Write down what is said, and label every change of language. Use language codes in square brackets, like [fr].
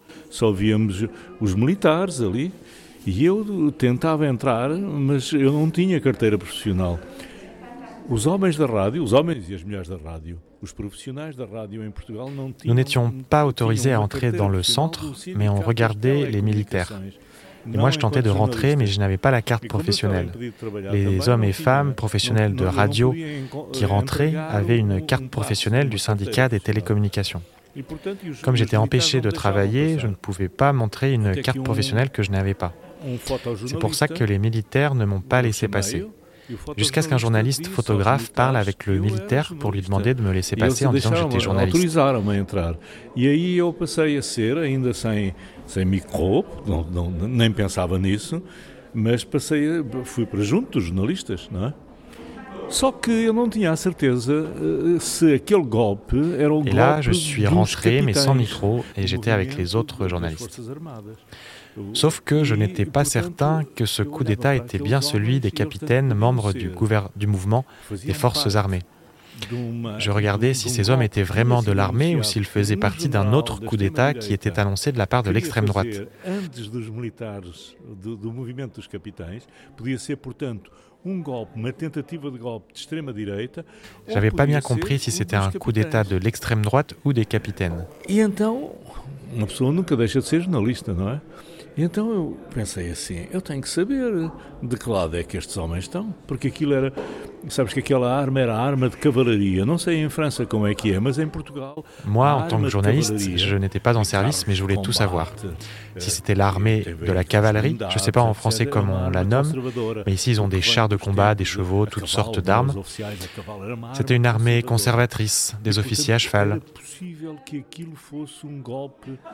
[pt] Só víamos os militares ali. E eu tentava entrar, mas eu não tinha carteira profissional. Os homens da rádio, os homens e as mulheres da rádio, os profissionais da rádio em Portugal não tinham. [fr] Nous n'étions pas autorisés à entrer dans le centre, mais on regardait les militaires. Et moi, je tentais de rentrer, mais je n'avais pas la carte professionnelle. Les hommes et femmes professionnels de radio qui rentraient avaient une carte professionnelle du syndicat des télécommunications. Comme j'étais empêché de travailler, je ne pouvais pas montrer une carte professionnelle que je n'avais pas. C'est pour ça que les militaires ne m'ont pas laissé passer. Jusqu'à ce qu'un journaliste photographe parle avec le militaire pour lui demander de me laisser passer en disant que j'étais journaliste. [pt] Autorizaram-me a entrar. E aí eu passei a ser, ainda sem micro, nem pensava nisso, mas fui para junto dos jornalistas, não é? Só que eu não tinha a certeza se aquele golpe era o golpe. [fr] Et là, je suis rentré, mais sans micro, et j'étais avec les autres journalistes. Sauf que je n'étais pas certain que ce coup d'État était bien celui des capitaines membres du mouvement des forces armées. Je regardais si ces hommes étaient vraiment de l'armée ou s'ils faisaient partie d'un autre coup d'État qui était annoncé de la part de l'extrême droite. [pt] Antes dos militares, do movimento dos capitães, podia ser, portanto, un golpe, uma tentativa de golpe de extrema direita. [fr] J'avais pas bien compris si c'était un coup d'État de l'extrême droite ou des capitaines. [pt] Et então, uma pessoa nunca deixa de ser jornalista, não é? Et então eu pensei assim, eu tenho que saber de que lado é que estes homens estão, porque aquilo era, sabes que aquela arma era arma de cavalaria, não sei em França como é que é, mas em Portugal... [fr] Moi, en tant que journaliste, je n'étais pas en service, mais je voulais tout savoir. Si c'était l'armée de la cavalerie, je ne sais pas en français comment on la nomme, mais ici ils ont des chars de combat, des chevaux, toutes sortes d'armes. C'était une armée conservatrice, des officiers à cheval. [pt] Era possível que aquilo fosse un golpe...